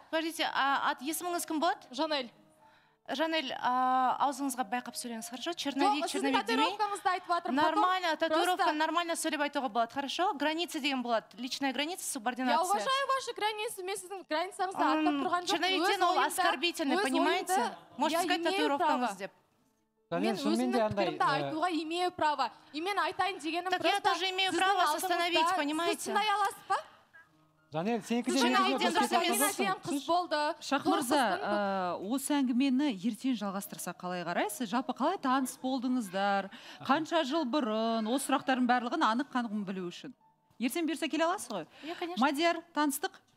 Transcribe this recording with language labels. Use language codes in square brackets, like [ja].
[ru] Подождите, [kk] есіміңіз кім болады? Жанель, аузыңызға байқап сөйлеңіз, хорошо? Черновик демей. Сіздің татуировкаңызды айтып отырмын. Нормально, татуировка, нормально сөйлеп айтуға болады, хорошо? Граница деген болады, [ru] личная граница, [kk] субординация. [ru] Я уважаю ваши границы, [kk] мен сіздің границаңызды артып тұрған жоқ. Черновиктен ол [ru] оскорбительный, понимаете? Можете сказать [kk] татуировкаңыз деп. Мен өзімнің пікірімді айтуға [ru] имею право. [kk] И мен айтайын дегенім [ru] просто... Так я тоже имею право остановить, понимаете? [kk] Сіздің аяласыз ба? Жанель, сен қыз болды. Шақ Мырза, осы әңгімені ертең жалғастырса қалай қарайсыз? Жалпы қалай таныс болдыңыздар? Қанша жыл бұрын? Осы сұрақтардың барлығын анық қанығын білу үшін. Ертең берсе келе аласыз ғой? Иә, конечно. Мадияр, таныстық?